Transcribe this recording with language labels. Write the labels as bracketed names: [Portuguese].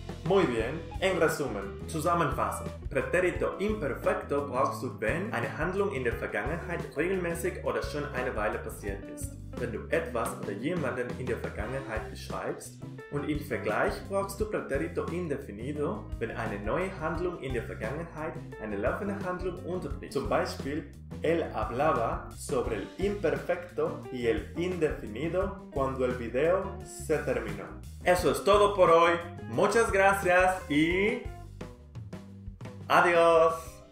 [Spanish] Muy bien, en resumen, [German] zusammenfassen. Pretérito imperfecto brauchst du, wenn eine Handlung in der Vergangenheit regelmäßig oder schon eine Weile passiert ist. Wenn du etwas oder jemanden in der Vergangenheit beschreibst. Und im Vergleich brauchst du Pretérito Indefinido, wenn eine neue Handlung in der Vergangenheit eine laufende Handlung unterbricht. Zum Beispiel, [Spanish] él hablaba sobre el imperfecto y el indefinido cuando el video se terminó. Eso es todo por hoy. Muchas gracias y... ¡Adiós!